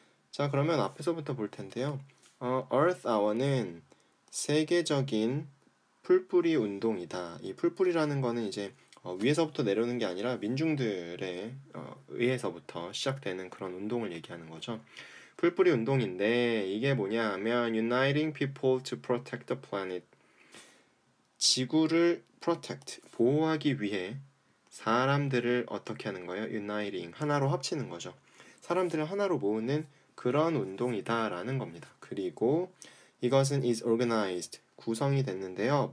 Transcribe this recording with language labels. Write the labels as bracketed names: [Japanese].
[Korean] 자, 그러면 앞에서부터 볼 텐데요. earth hour는 세계적인 풀뿌리 운동이다. 이 풀뿌리라는 거는 이제 위에서부터 내려오는 게 아니라 민중들의 의해서부터 시작되는 그런 운동을 얘기하는 거죠. 풀뿌리 운동인데 이게 뭐냐 하면 [English] Uniting people to protect the planet. [Korean] 지구를 protect, 보호하기 위해 사람들을 어떻게 하는 거예요? Uniting, 하나로 합치는 거죠. 사람들을 하나로 모으는 그런 운동이다라는 겁니다. 그리고 이것은 [English] is organized, [Korean] 구성이 됐는데요.